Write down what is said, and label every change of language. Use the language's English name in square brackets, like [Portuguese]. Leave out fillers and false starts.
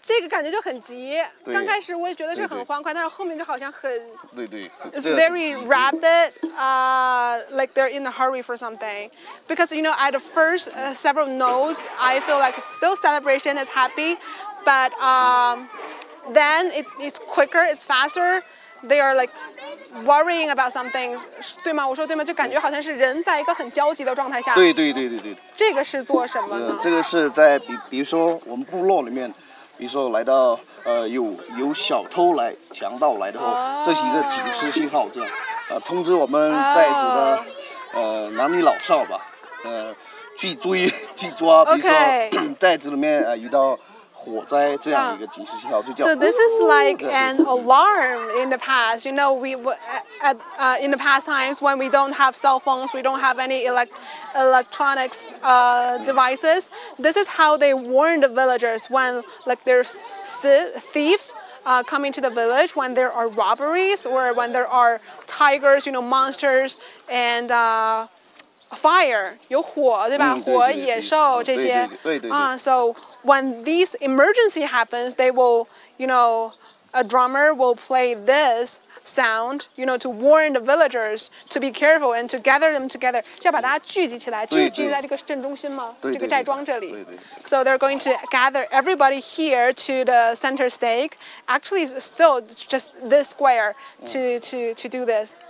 [Chinese] 感觉就很急，刚开始我也觉得是很欢快，对对，但是后面就好像很，对对 [English] ，it's very rapid, like they're in a hurry for something, because you know at the first several notes, I feel like still celebration is happy, but then it's quicker, it's faster, they are like worrying about something, [Chinese] 对吗？我说对吗？就感觉好像是人在一个很焦急的状态下，对对对对对，这个是做什么呢？这个是在比如说我们部落里面。比如说来到有小偷来强盗来的话，这是一个警示信号，这样通知我们寨子的男女老少吧，去追去抓，比如说寨子里面遇到火灾这样一个警示信号，就叫。 [English] So this is like an alarm in the past. You know, we in the past times when we don't have cell phones, we don't have any electronics devices. This is how they warn the villagers when like there's thieves coming to the village, when there are robberies or when there are tigers, you know, monsters and [Chinese] fire, 有火，对吧？嗯、火、野兽、哦、这些。对。 [English] So when these emergency happens, they will, you know, a drummer will play this sound, you know, to warn the villagers to be careful and to gather them together. [Chinese] 就要把大家聚集起来，聚集在这个镇中心嘛，这个寨庄这里。 [English] So they're going to gather everybody here to the center stake. Actually, still just this square to do this.